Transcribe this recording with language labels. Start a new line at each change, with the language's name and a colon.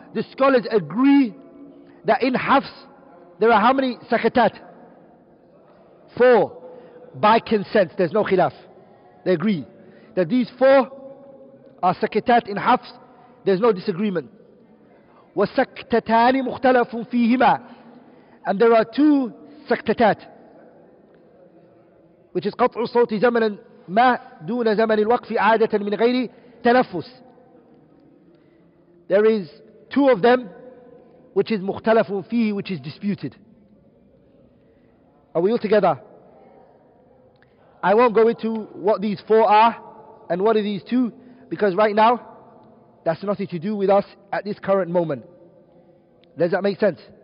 English: The scholars agree that in Hafs, there are how many sakatat? Four. By consent, there's no khilaf. They agree that these four are sakatat in Hafs. There's no disagreement.
Arabic: وَسَكْتَتَانِ مُخْتَلَفٌ فِيهِمَا.
English: And there are two
Arabic: سَكْتَتَات,
English: which is
Arabic: قَطْعُ الصَّوْتِ زَمَنًا مَا دُونَ زَمَنِ الْوَقْفِ عَادَةً مِنْ غَيْرِ تَنَفُّس.
English: There is two of them, which is
Arabic: مُخْتَلَفٌ فِيهِ,
English: which is disputed. Are we all together? I won't go into what these four are and what are these two, because right now that's nothing to do with us at this current moment. Does that make sense?